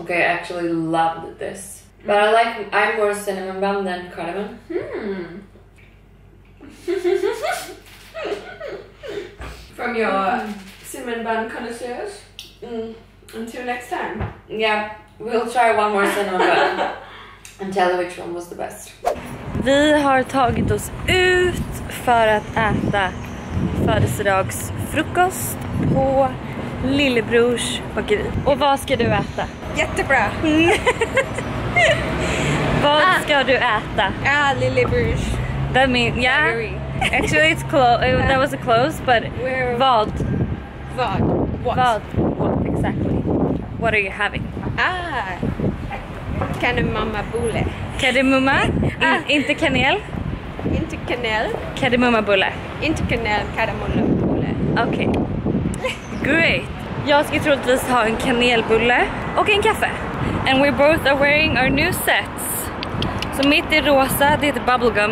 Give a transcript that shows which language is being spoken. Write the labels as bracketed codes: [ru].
[en] Okay, I actually loved this. But I like, I'm more cinnamon bun than cardamom. Mmm. From your cinnamon bun connoisseurs. Mm. Until next time. Yeah, we'll try one more cinnamon bun and tell which one was the best. [sv] Vi har tagit oss ut för att äta födelsedags frukost på Lillebrors bakeri. Och vad ska du äta? Jättebra. Vad ska du äta? Ja, Lillebrors. [en] That means [sv] bakeri. [en] Actually, it's close. Yeah. That was a close, but [sv] vad? Vad? [en] What? [sv] Vad? [en] What exactly? What are you having? [sv] Ah, kardemumma bulle. Kardemumma? Inte kanel? Inte kanel. Kardemumma bulle. Inte kanel, kardemumma bulle. [en] Okay. Great. [sv] Jag ska troligtvis ha en kanelbulle och en kaffe. [en] And we both are wearing our new sets. [sv] Så mitt är rosa, det heter bubblegum.